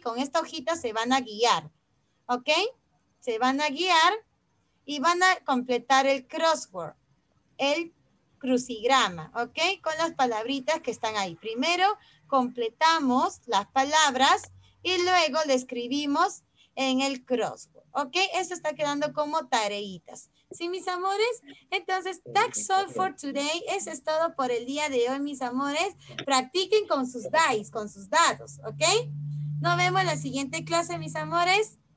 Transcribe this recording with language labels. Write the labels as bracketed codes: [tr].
[es] Con esta hojita se van a guiar, ¿ok? Se van a guiar y van a completar el crossword, el crucigrama, ¿ok? Con las palabritas que están ahí. Primero completamos las palabras y luego le escribimos en el crossword, ¿ok? Eso está quedando como tareitas. ¿Sí, mis amores? [en] Entonces, that's all for today. [es] Eso es todo por el día de hoy, mis amores. Practiquen con sus dice, con sus dados, ¿ok? Nos vemos en la siguiente clase, mis amores.